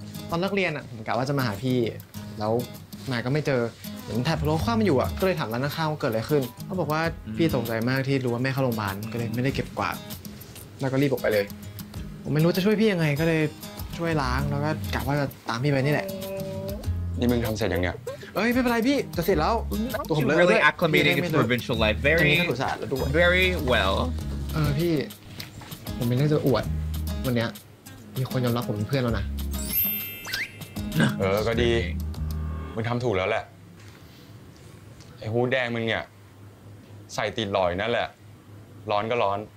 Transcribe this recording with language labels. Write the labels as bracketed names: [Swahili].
[Thai] ตอนเลิกเรียนอะผมกะว่าจะมาหาพี่แล้วมาก็ไม่เจอเห็นแถบโรงข้าวมาอยู่อะก็เลยถามร้านข้าวว่าเกิดอะไรขึ้นเขาบอกว่าพี่สงสัยมากที่รู้ว่าแม่เข้าโรงพยาบาลก็เลยไม่ได้เก็บกวาดแล้วก็รีบออกไปเลยผมไม่รู้จะช่วยพี่ยังไงก็เลยช่วยล้างแล้วก็กะว่าจะตามพี่ไปนี่แหละ นี่มึงทำเสร็จยังเนี่ย เอ้ยไม่เป็นไรพี่จะเสร็จแล้วตัวผมเลย [English] เลย really acclimating to provincial life very very well [Thai] เออพี่ผมไม่ได้จะอวดวันเนี้ยมีคนยอมรับผมเป็นเพื่อนแล้วนะ เออก็ดีมึงทำถูกแล้วแหละไอ้หูแดงมึงเนี่ยใส่ติดลอยนั่นแหละร้อนก็ร้อน